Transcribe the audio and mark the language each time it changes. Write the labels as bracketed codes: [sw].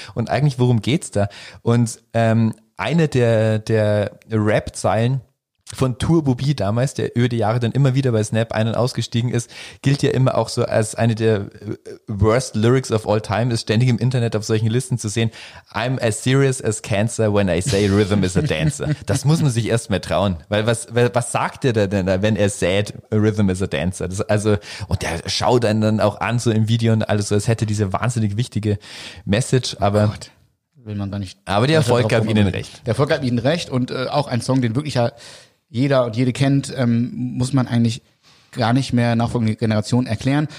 [de] Und eigentlich, worum geht's da? Und eine der Rap-Zeilen von Turbo B damals, der über die Jahre dann immer wieder bei Snap ein- und ausgestiegen ist, gilt ja immer auch so als eine der [en] worst lyrics of all time, [de] ist ständig im Internet auf solchen Listen zu sehen. [en] I'm as serious as cancer when I say rhythm is a dancer. [de] Das muss man sich erst mal trauen, weil was sagt er denn da, wenn er [en] said rhythm is a dancer? [de] Das, also, und der schaut einen dann auch an so im Video und alles so, als hätte diese wahnsinnig wichtige Message, aber... Oh Gott. Will man gar nicht. Aber der Erfolg gab ihnen recht. Der Erfolg gab ihnen recht und auch ein Song, den wirklich ja jeder und jede kennt, muss man eigentlich gar nicht mehr nachfolgende Generationen erklären.